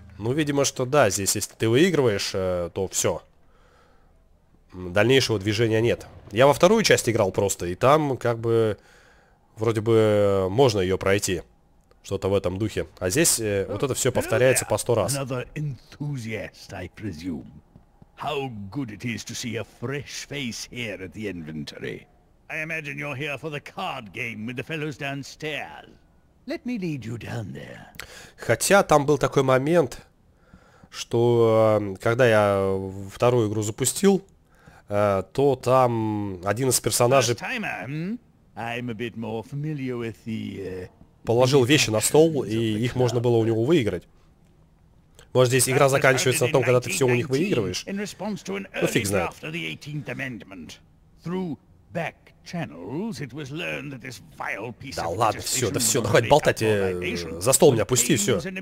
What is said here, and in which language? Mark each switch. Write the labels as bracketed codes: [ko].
[ru] Ну, видимо, что да, здесь если ты выигрываешь, то все. Дальнейшего движения нет. Я во вторую часть играл просто, и там как бы вроде бы можно ее пройти. Что-то в этом духе. А здесь вот это все повторяется по 100 раз. [en] Another enthusiast, I presume. How good it is to see a fresh face here at the inventory. I imagine you're here for the card game with the fellows downstairs. Let me lead you down there. [ru] Хотя там был такой момент, что когда я вторую игру запустил, то там один из персонажей... [en] First timer, I'm a bit more familiar with the... [ru] Положил вещи на стол, и их можно было у него выиграть. Может, здесь игра заканчивается на том, когда ты все у них выигрываешь? Ну фиг знает. Да ладно, все, да все, ну хватит болтать, за стол меня пусти, все.